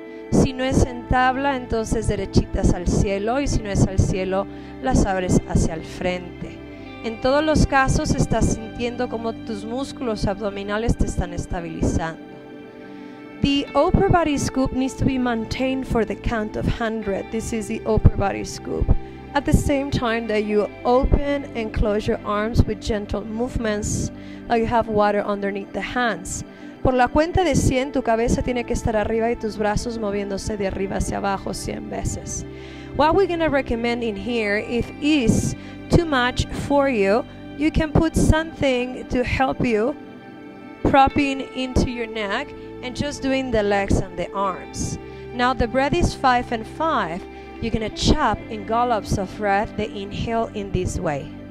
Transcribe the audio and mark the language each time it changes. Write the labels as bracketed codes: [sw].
[es] Si no es en tabla, entonces derechitas al cielo. Y si no es al cielo, las abres hacia el frente. En todos los casos, estás sintiendo como tus músculos abdominales te están estabilizando. [en] The upper body scoop needs to be maintained for the count of 100. This is the upper body scoop. At the same time that you open and close your arms with gentle movements, like you have water underneath the hands. [es] Por la cuenta de 100, tu cabeza tiene que estar arriba y tus brazos moviéndose de arriba hacia abajo 100 veces. [en] What we're going to recommend in here, if is too much for you, you can put something to help you propping into your neck and just doing the legs and the arms. Now the breath is 5 and 5. You're going to chop in gallops of breath the inhale in this way.